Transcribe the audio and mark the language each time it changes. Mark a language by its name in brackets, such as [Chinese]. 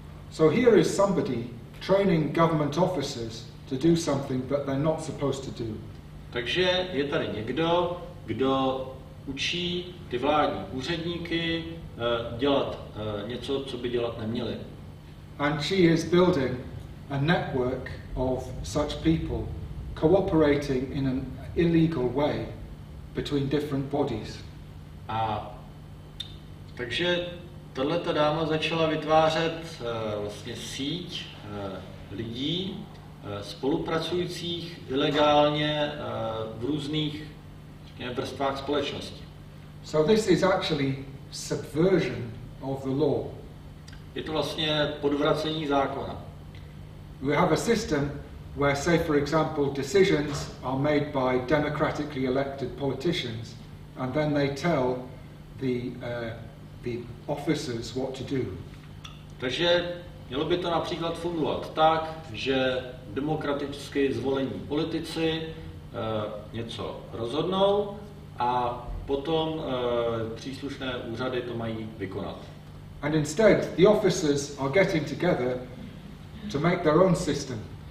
[English] So here is somebody training government officers to do something that they're not supposed to do. [Czech] Takže je tady někdo, kdo učí ty vládní úředníky dělat něco, co by dělat neměli. [English] And she is building a network of such people cooperating in an illegal way between different bodies. [Czech] A takže tato dáma začala vytvářet vlastně síť lidí spolupracujících ilegálně v různých vrstvách společnosti. [English] So this is actually subversion of the law. [Czech] Je to vlastně podvracení zákona. [English] We have a system where, say for example, decisions are made by democratically elected politicians and then they tell the officers what to do. [Czech] Takže mělo by to například fungovat tak, že demokraticky zvolení politici něco rozhodnou a potom příslušné úřady to mají vykonat. [English] And instead, the officers are getting together to make their own system.